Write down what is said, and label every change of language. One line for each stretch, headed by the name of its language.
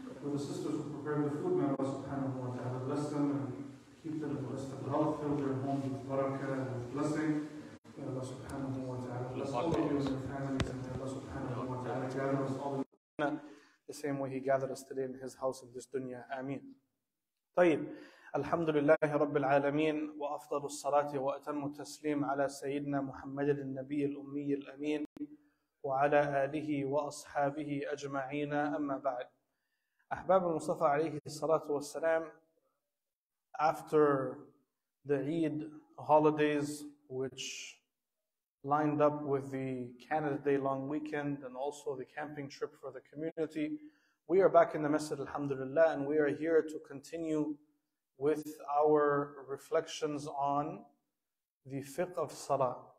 English: For the sisters who prepared the food, may Allah subhanahu wa ta'ala bless them and keep them in the rest of health, fill their homes with barakah and with blessing. May Allah subhanahu wa ta'ala bless all of you and your families, and may Allah subhanahu wa ta'ala gather us all of you. The same way he gathered us today in his house in this dunya. Ameen.
Arabic: طيب الحمد لله رب العالمين وأفضل الصلاة وأتم التسليم على سيدنا محمد النبي الأمي الأمين وعلى آله وأصحابه أجمعين أما بعد أحباب المصطفى عليه الصلاة والسلام.
English: After the Eid holidays, which lined up with the Canada Day long weekend and also the camping trip for the community, we are back in the Masjid, alhamdulillah, and we are here to continue with our reflections on the Fiqh of Salah.